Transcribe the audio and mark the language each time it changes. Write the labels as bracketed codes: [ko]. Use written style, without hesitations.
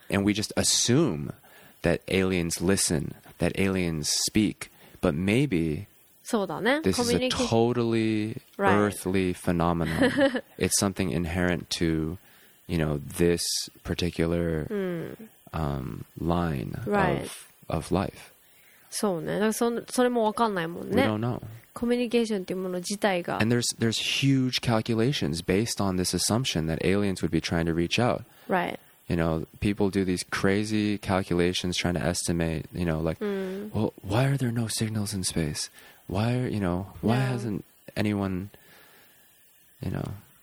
[en] And we just assume that aliens listen, that aliens speak, but maybe... [ja] そうだね。 [en] This is a totally earthly phenomenon. It's something inherent to, you know, this particular line of life. [ja] そうね。だからそれも分かんないもんね。 [en] We don't know. [ja] コミュニケーションっていうもの自体が。 [en] And there's huge calculations based on this assumption that aliens would be trying to reach out. Right. You know, people do these crazy calculations trying to estimate, you know, like, well, why are there no signals in space? Why, are, you know, why hasn't anyone, you know...